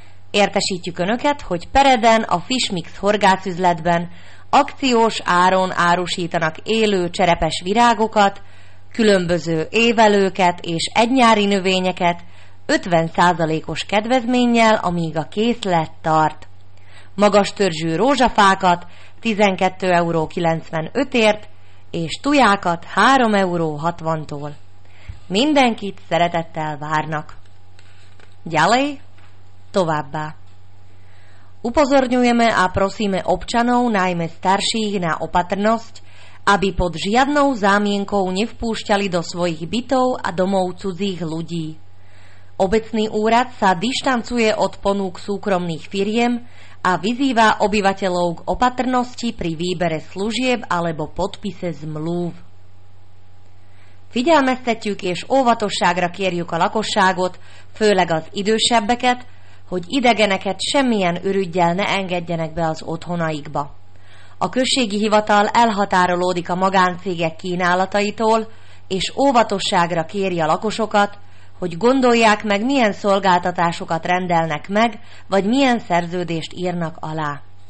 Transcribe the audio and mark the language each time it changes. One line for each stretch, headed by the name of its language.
Hungarian: Értesítjük Önöket, hogy Pereden a Fishmix horgászüzletben akciós áron árusítanak élő cserepes virágokat, különböző évelőket és egynyári növényeket 50%-os kedvezménnyel, amíg a készlet tart. Magas törzsű rózsafákat 12,95 eurért és tujákat 3,60 eurótól. Mindenkit szeretettel várnak.
Slovak: Ďalej,
Hungarian: továbbá.
Slovak: Upozorňujeme a prosíme občanov, najmä starších, na opatrnosť, aby pod žiadnou zámienkou nevpúšťali do svojich bytov a domov cudzích ľudí. Obecný úrad sa dištancuje od ponúk súkromných firiem a vyzýva obyvateľov k opatrnosti pri výbere služieb alebo podpise zmluv.
Hungarian: Figyelmeztetjük és óvatosságra kérjük a lakosságot, főleg az idősebbeket, hogy idegeneket semmilyen ürüggyel ne engedjenek be az otthonaikba. A községi hivatal elhatárolódik a magáncégek kínálataitól, és óvatosságra kéri a lakosokat, hogy gondolják meg, milyen szolgáltatásokat rendelnek meg, vagy milyen szerződést írnak alá.